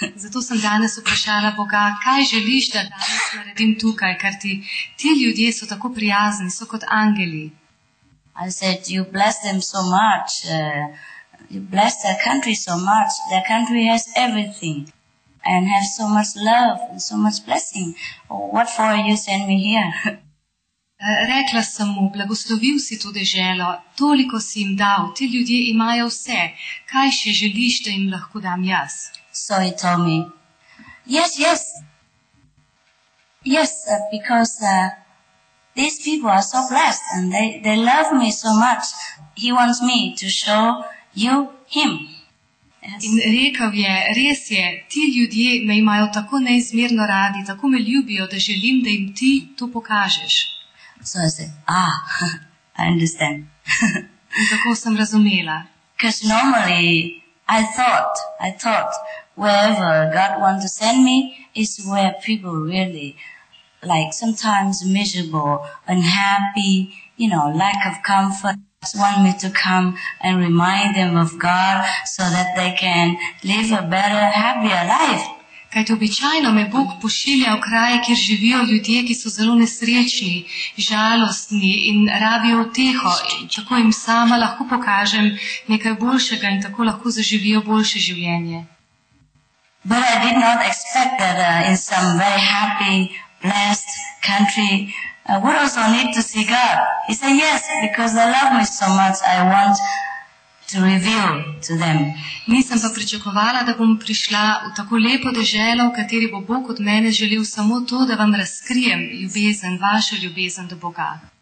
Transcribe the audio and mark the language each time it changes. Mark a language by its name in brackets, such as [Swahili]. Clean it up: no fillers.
[Slovenian] Zato sem danes vprašala Boga, kaj želiš, da danes naredim tukaj, ker ti ljudje so tako prijazni, so kot angeli. [English] I said, you bless them so much, you bless their country so much, their country has everything, and has so much love, and so much blessing. What for you send me here? [Slovenian] Rekla sem mu, blagoslovil si to deželo, toliko si jim dal, ti ljudje imajo vse, kaj še želiš, da jim lahko dam jaz? [English] So he told me, yes, yes, yes, because these people are so blessed and they love me so much, he wants me to show you him. [Slovenian] Yes. In rekel je, res je, ti ljudje me imajo tako neizmerno radi, tako me ljubijo, da želim, da jim ti to pokažeš. [English] So I said, ah, I understand. [Slovenian] Tako sem razumela. [English] Because normally I thought wherever God wants to send me is where people really, like sometimes miserable, unhappy, you know, lack of comfort. Just want me to come and remind them of God so that they can live a better, happier life. [Slovenian] Kaj to običajno me Bog pošilja v kraj, kjer živijo ljudje, ki so zelo nesrečni, žalostni in rabijo uteho. Tako jim sama lahko pokažem nekaj boljšega in tako lahko zaživijo boljše življenje. [English] But I did not expect that in some very happy, blessed country, I would also need to see God. He said, yes, because they love me so much, I want to reveal to them. [Slovenian] Nisem pa pričakovala, da bom prišla v tako lepo deželo, v kateri bo Bog od mene želel samo to, da vam razkrijem ljubezen, vašo ljubezen do Boga.